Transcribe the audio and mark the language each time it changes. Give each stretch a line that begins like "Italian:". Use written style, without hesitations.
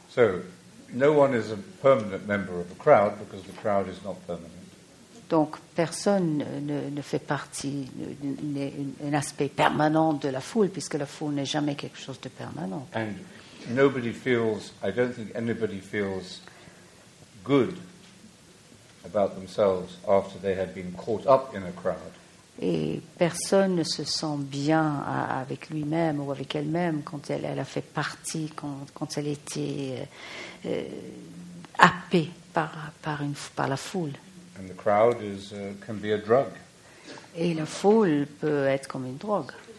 English: So, no one is a permanent member of the crowd because the crowd is not permanent.
French: Donc personne ne fait partie d'un aspect permanent de la foule puisque la foule n'est jamais quelque chose de permanent.
English: And nobody feels. I don't think anybody feels good about themselves after they have been caught up in a crowd.
French: Et personne ne se sent bien avec lui-même ou avec elle-même quand elle a fait partie, quand elle était happée par la foule.
English: And the crowd is, can be a drug.
French: Et la foule peut être comme une drogue.